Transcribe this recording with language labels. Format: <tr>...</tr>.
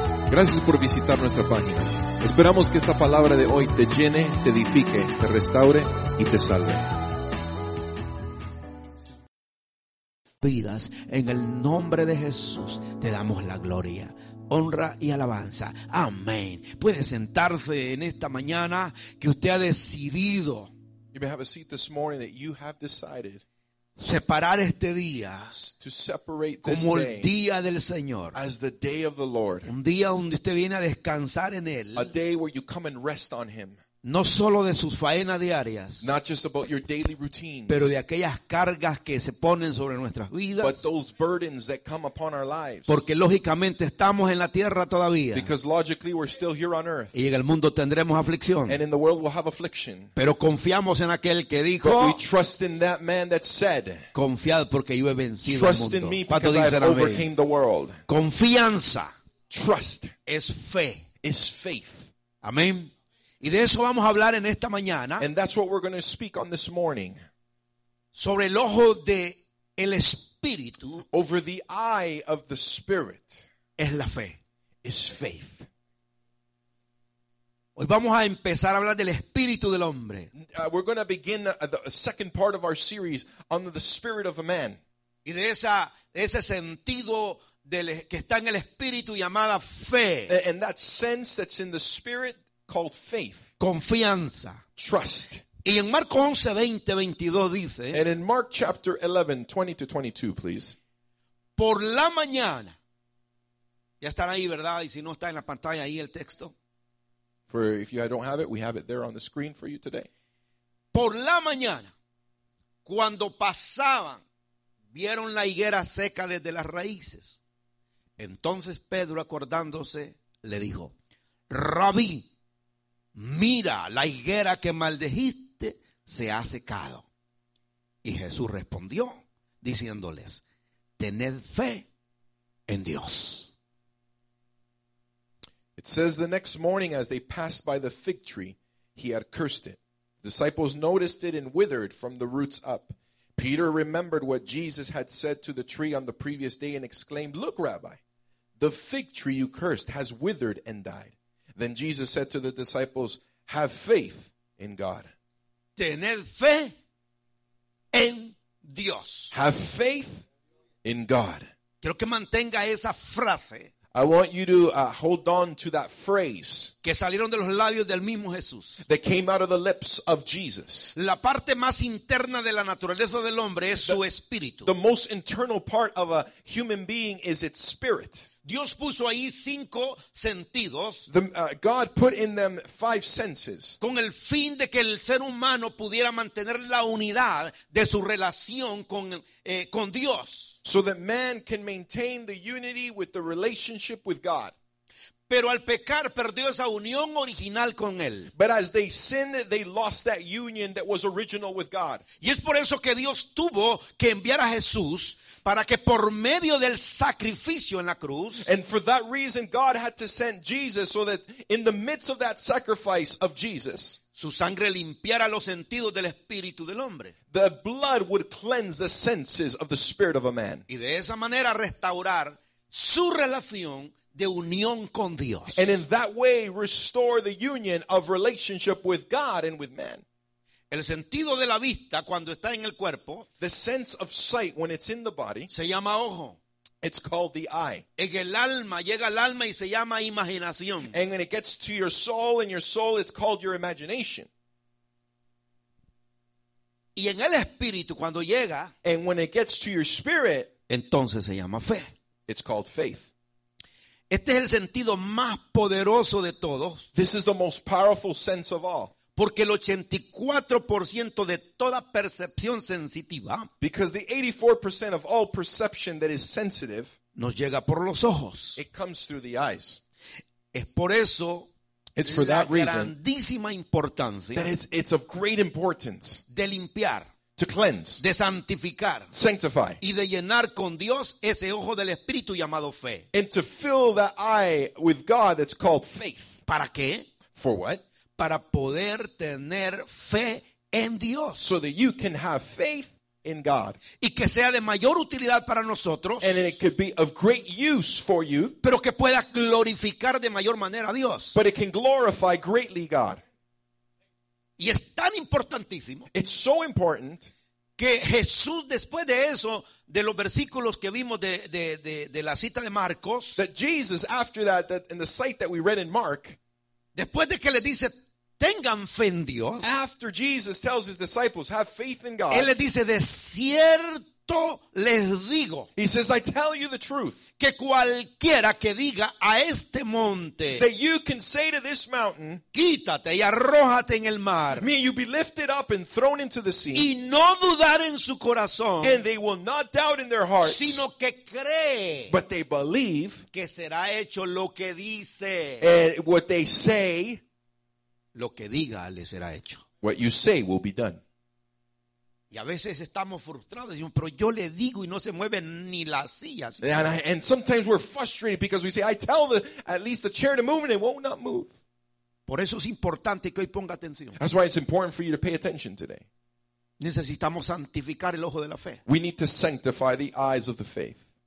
<es>Gracias por visitar nuestra página. Esperamos que esta palabra de hoy te llene, te edifique, te restaure y te salve. Vidas, en el nombre de Jesús te damos la gloria, honra y alabanza. Amén. Puede sentarse en esta mañana que usted ha decidido.</es> <en>You may have a seat this morning that you have decided.</en> <es>Separar este día</es> <en>to separate this</en> <es>como el día del Señor,</es> <en>as the day of the Lord.</en> <es>Un día donde usted viene a descansar en él,</es> <en>a day where you come and rest on him.</en> <es>No solo de sus faenas diarias,</es> <en>not just about your daily routines,</en> <es>pero de aquellas cargas que se ponen sobre nuestras vidas,</es> <en>but those burdens that come upon our lives.</en> <es>Porque lógicamente estamos en la tierra todavía,</es> <en>because logically we're still here on earth.</en> <es>Y en el mundo tendremos aflicción,</es> <en>and in the world we'll have affliction.</en> <es>Pero confiamos en aquel que dijo,</es> <en>but we trust in that man that said,</en> <es>confiad porque yo he vencido el mundo.</es> <en>In me,</en> <es>¿cuánto dicen amén?</es> <en>Because I've overcame the world.</en> <es>Confianza,</es> <en>trust,</en> <es>es fe,</es> <en>is faith.</en> <es>Amén. Y de eso vamos a hablar en esta mañana.</es> <en>And that's what we're going to speak on this morning.</en> <es>Sobre el ojo de el espíritu.</es> <en>Over the eye of the spirit.</en> <es>Es la fe.</es> <en>Is faith.</en> <es>Hoy vamos a empezar a hablar del espíritu del hombre.</es> <en>We're going to begin the second part of our series on the spirit of a man.</en> <es>Y de esa, de ese sentido del, que está en el espíritu llamada fe.</es> <en>And that sense that's in the spirit. Called faith.</en> <es>Confianza.</es> <en>Trust.</en> <es>Y en Marcos 11, 20, 22 dice.</es> <en>And in Mark chapter 11, 20 to 22, please.</en> <es>Por la mañana. Ya están ahí, ¿verdad? Y si no está en la pantalla ahí el texto.</es> <en>For if you don't have it, we have it there on the screen for you today.</en> <es>Por la mañana. Cuando pasaban, vieron la higuera seca desde las raíces. Entonces Pedro acordándose, le dijo. Rabí. Mira, la higuera que maldijiste se ha secado. Y Jesús respondió, diciéndoles, tened fe en Dios.</es> <en>It says, the next morning as they passed by the fig tree, he had cursed it. The disciples noticed it and withered from the roots up. Peter remembered what Jesus had said to the tree on the previous day and exclaimed, look, Rabbi, the fig tree you cursed has withered and died. Then Jesus said to the disciples, have faith in God.</en> <es>Tened fe en Dios.</es> <en>Have faith in God.</en> <es>Quiero que mantenga esa frase.</es> <en>I want you to hold on to that phrase.</en> <es>Que salieron de los labios del mismo Jesús.</es> <en>That came out of the lips of Jesus.</en> <es>La parte más interna de la naturaleza del hombre es su espíritu.</es> <en>The most internal part of a human being is its spirit.</en> <es>Dios puso ahí cinco sentidos.</es> <en>God put in them five senses.</en> <es>Con el fin de que el ser humano pudiera mantener la unidad de su relación con Dios.</es> <en>So that man can maintain the unity with the relationship with God.</en> <es>Pero al pecar perdió esa unión original con él.</es> <en>But as they sinned, they lost that union that was original with God.</en> <es>Y es por eso que Dios tuvo que enviar a Jesús para que por medio del sacrificio en la cruz.</es> <en>And for that reason, God had to send Jesus so that in the midst of that sacrifice of Jesus,</en> <es>su sangre limpiara los sentidos del espíritu del hombre.</es> <en>The blood would cleanse the senses of the spirit of a man.</en> <es>Y de esa manera restaurar su relación de unión con Dios.</es> <en>And in that way restore the union of relationship with God and with man.</en> <es>El sentido de la vista cuando está en el cuerpo,</es> <en>the sense of sight when it's in the body,</en> <es>se llama ojo.</es> <en>It's called the eye.</en> <es>En el alma, llega al alma y se llama imaginación.</es> <en>And when it gets to your soul, in your soul, it's called your imagination.</en> <es>Y en el espíritu cuando llega,</es> <en>and when it gets to your spirit,</en> <es>entonces se llama fe.</es> <en>It's called faith.</en> <es>Este es el sentido más poderoso de todos.</es> <en>This is the most powerful sense of all.</en> <es>Porque el 84% de toda percepción sensitiva,</es> <en>because the 84% of all perception that is sensitive,</en> <es>nos llega por los ojos.</es> <en>It comes through the eyes.</en> <es>Es por eso,</es> <en>it's for that reason,</en> <es>grandísima importancia,</es> <en>that it's of great importance,</en> <es>de limpiar,</es> <en>to cleanse,</en> <es>de santificar,</es> <en>sanctify,</en> <es>y de llenar con Dios ese ojo del espíritu llamado fe.</es> <en>And to fill that eye with God that's called faith.</en> <es>¿Para qué?</es> <en>For what?</en> <es>Para poder tener fe en Dios.</es> <en>So that you can have faith in God.</en> <es>Y que sea de mayor utilidad para nosotros.</es> <en>And it could be of great use for you.</en> <es>Pero que pueda glorificar de mayor manera a Dios.</es> <en>But it can glorify greatly God.</en> <es>Y es tan importantísimo.</es> <en>It's so important.</en> <es>Que Jesús, después de eso, de los versículos que vimos de la cita de Marcos.</es> <en>That Jesus, after that, that in the site that we read in Mark.</en> <es>Después de que le dice, tengan fe en Dios.</es> <en>After Jesus tells his disciples, have faith in God.</en> <es>Él le dice, de cierto les digo.</es> <en>He says, I tell you the truth.</en> <es>Que cualquiera que diga a este monte.</es> <en>That you can say to this mountain.</en> <es>Quítate y arrójate en el mar.</es> <en>May you be lifted up and thrown into the sea.</en> <es>Y no dudar en su corazón.</es> <en>And they will not doubt in their hearts.</en> <es>Sino que cree.</es> <en>But they believe.</en> <es>Que será hecho lo que dice.</es> <en>And what they say.</en> <es>Lo que diga le será hecho.</es> <en>What you say will be done.</en> <es>Y a veces estamos frustrados, decimos, pero yo le digo y no se mueve ni la silla.</es> <en>And sometimes we're frustrated because we say, I tell the at least the chair to move and it will not move.</en> <es>Por eso es importante que hoy ponga atención.</es> <en>That's why it's important for you to pay attention today.</en> <es>Necesitamos santificar el ojo de la fe.</es> <en>We need to sanctify the eyes of the faith.</en>